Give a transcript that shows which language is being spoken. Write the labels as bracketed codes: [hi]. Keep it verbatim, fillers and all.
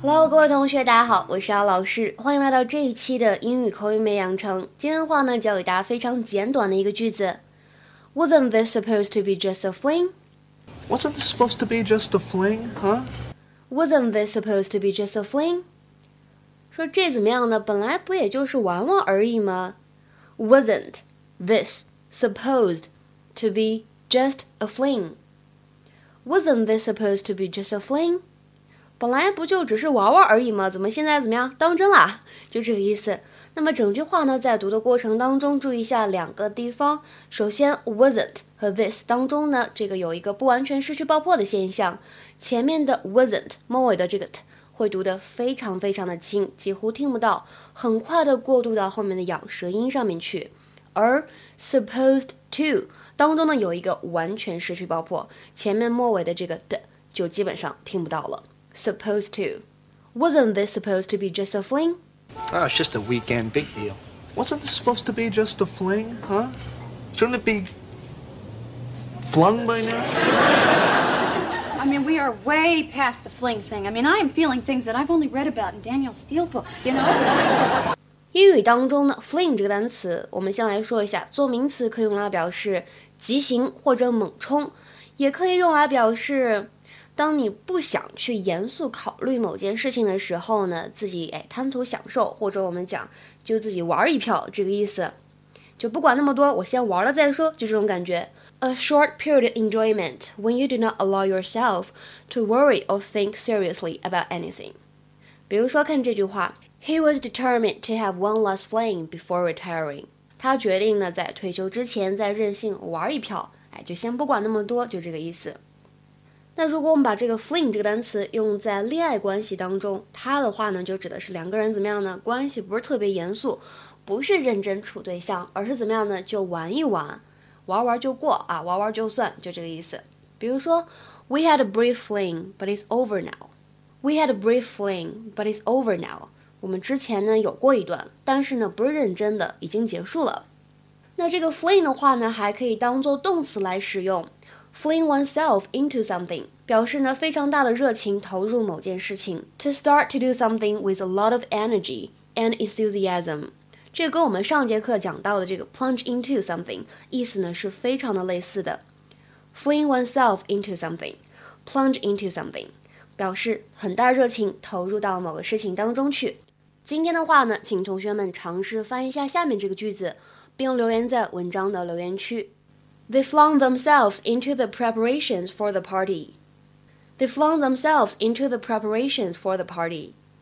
[zh] Hello， 各位同学，大家好，我是姚老师，欢迎来到这一期的英语口语美养成。今天的话呢，教给大家非常简短的一个句子。 [en] Wasn't this supposed to be just a fling? Wasn't this supposed to be just a fling, huh? Wasn't this supposed to be just a fling? [zh] 说这怎么样呢？本来不也就是玩玩而已吗 ？ [en] Wasn't this supposed to be just a fling? Wasn't this supposed to be just a fling? [zh] 本来不就只是玩玩而已吗？怎么现在怎么样当真啦？就这个意思。那么整句话呢，在读的过程当中，注意一下两个地方。首先 ，wasn't 和 this 当中呢，这个有一个不完全失去爆破的现象。前面的 wasn't 末尾的这个 t 会读得非常非常的轻，几乎听不到，很快的过渡到后面的咬舌音上面去。而 supposed to 当中呢，有一个完全失去爆破，前面末尾的这个 d 就基本上听不到了。 [en] Supposed to. Wasn't this supposed to be just a fling? Oh, it's just a weekend, big deal. Wasn't this supposed to be just a fling, huh? Shouldn't it be flung by now? I mean, we are way past the fling thing. I mean, I am feeling things that I've only read about in Daniel Steele books, you know? [zh] 英语当中呢 fling 这个单词，我们先来说一下，做名词可以用来表示急行或者猛冲，也可以用来表示当你不想去严肃考虑某件事情的时候呢，自己哎贪图享受，或者我们讲就自己玩一票，这个意思，就不管那么多，我先玩了再说，就这种感觉。 [en] A short period of enjoyment when you do not allow yourself to worry or think seriously about anything. [zh] 比如说看这句话 ， [en] He was determined to have one last fling before retiring. [zh] 他决定呢在退休之前再任性玩一票，哎就先不管那么多，就这个意思。那如果我们把这个 fling 这个单词用在恋爱关系当中，它的话呢就指的是两个人怎么样呢，关系不是特别严肃，不是认真处对象，而是怎么样呢，就玩一玩，玩玩就过啊，玩玩就算，就这个意思。比如说 [en] We had a brief fling but it's over now. We had a brief fling but it's over now. [zh] 我们之前呢有过一段，但是呢不是认真的，已经结束了。那这个 fling 的话呢还可以当做动词来使用。 [en] Fling oneself into something [zh] 表示呢非常大的热情投入某件事情。 [en] To start to do something with a lot of energy and enthusiasm， [zh] 这个跟我们上节课讲到的这个 plunge into something 意思呢是非常的类似的。 [en] Fling oneself into something， [zh] plunge into something 表示很大热情投入到某个事情当中去。今天的话呢，请同学们尝试翻译一下下面这个句子，并留言在文章的留言区。 [en] They flung themselves into the preparations for the party. They flung themselves into the preparations for the party.